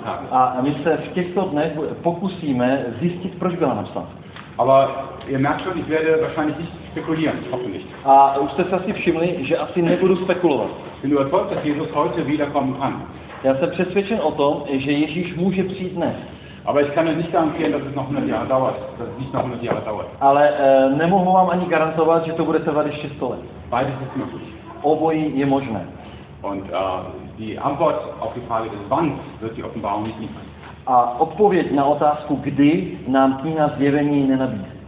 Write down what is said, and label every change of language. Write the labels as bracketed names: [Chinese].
[Czech] A my se v těchto dnech pokusíme zjistit, proč byla napsána. [German] Aber ihr merkt schon, ich werde wahrscheinlich nicht spekulieren, hoffentlich. [Czech] A už jste si všimli, že asi nebudu spekulovat. [German] Bin überzeugt, dass Jesus heute wiederkommen kann. [Czech] Já jsem přesvědčen o tom, že Ježíš může přijít dnes. [German] Aber ich kann euch nicht garantieren, dass es noch 100 Jahre dauert. Dass es nicht noch 100 Jahre dauert. [Czech] Ale nemohu vám ani garantovat, že to bude trvat ještě 100 let. [German] Beides ist möglich. [Czech] Obojí je možné. [German] Und die Antwort auf die Frage des Wanns wird die Offenbarung nicht liefern. [Czech] A odpověď na otázku, kdy nám kniha zjevení nenabízí.